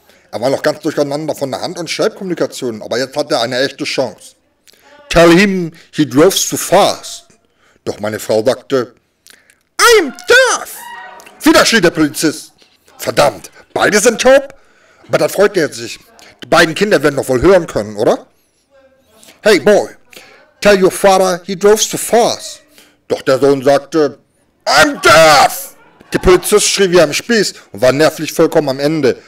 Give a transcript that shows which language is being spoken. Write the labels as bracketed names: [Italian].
[German] Er war noch ganz durcheinander von der Hand- und Schreibkommunikation, aber jetzt hat er eine echte Chance. [English] Tell him, he drove too fast. [German] Doch meine Frau sagte, [English] I'm deaf. [German] Wieder schrie der Polizist. Verdammt, beide sind taub? Aber dann freute er sich. Die beiden Kinder werden doch wohl hören können, oder? [English] Hey boy, tell your father, he drove too fast. [German] Doch der Sohn sagte, [English] I'm deaf. [German] Der Polizist schrie wie am Spieß und war nervlich vollkommen am Ende.